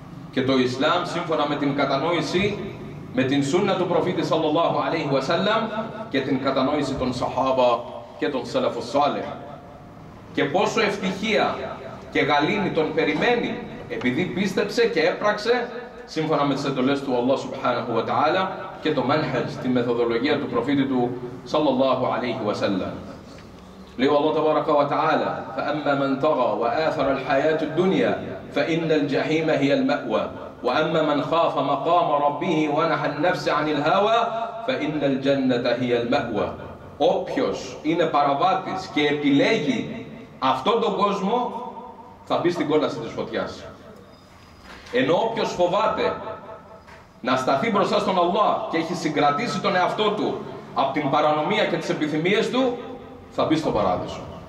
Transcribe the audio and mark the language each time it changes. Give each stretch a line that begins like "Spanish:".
Greek: Και το Ισλάμ, σύμφωνα με την κατανόηση, με την σούνα του προφήτη sallallahu alayhi wa sallam και την κατανόηση των Σαχάβα και των Σαλαφου Σάλεχ. Και πόσο ευτυχία και γαλήνη τον περιμένει επειδή πίστεψε και έπραξε σύμφωνα με τις εντολές του Αλλά Σουμπχάναχου Ετα'άλα και το μένχετ, τη μεθοδολογία του προφήτη του sallallahu alayhi wa sallam. Λέει ο Αλλά Τεβάρακα Βα Τα'άλα
Arabic: فَأَمَّا مَنْ تَغَى وَآثَرَ الْحَيَاةُ الدُّنْيَا فَإِنَّ الْجَحِيمَ هِيَ الْمَأْوَى وَأَمَّا مَنْ خَافَ مَقَامَ رَبِّهِ وَنَحَ النَّفْسِ عَنِ الْهَوَى فَإِنَّ الْجَنَّةَ هِيَ الْمَأْوَى.
Greek: Όποιος είναι παραβάτης και επιλέγει αυτόν τον κόσμο θα μπει στην κόλαση της φωτιάς. Ενώ όποιος φοβάται να σταθεί μπροστά στον Αλλά και έχει συγκρατήσει τον εαυτό του από την παρανομία και τις επιθυμίες του, θα μπει στο παράδεισο.